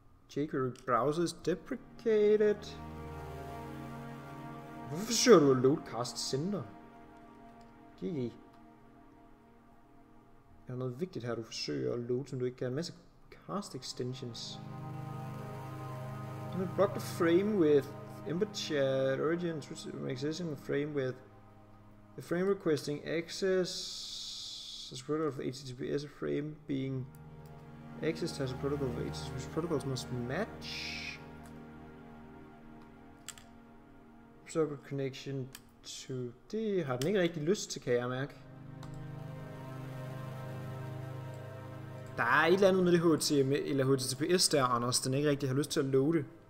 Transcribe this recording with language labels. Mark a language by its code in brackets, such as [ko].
[en] jQuery browser is deprecated. [da] Hvorfor søger du at loade cast center? GG. Er der noget vigtigt her, du forsøger at loade, som du ikke kan? En masse cast extensions. [en] I'm gonna block the frame with ember chat, origin, existing frame with the frame requesting access as protocol of HTTPS, a frame being accessed as a protocol of HTTPS, protocols must match. Server connection to, [da] det har den ikke rigtig lyst til, kan jeg mærke. Der er et eller andet med det HTML eller HTTPS der, Anders, den ikke rigtig har lyst til at loade.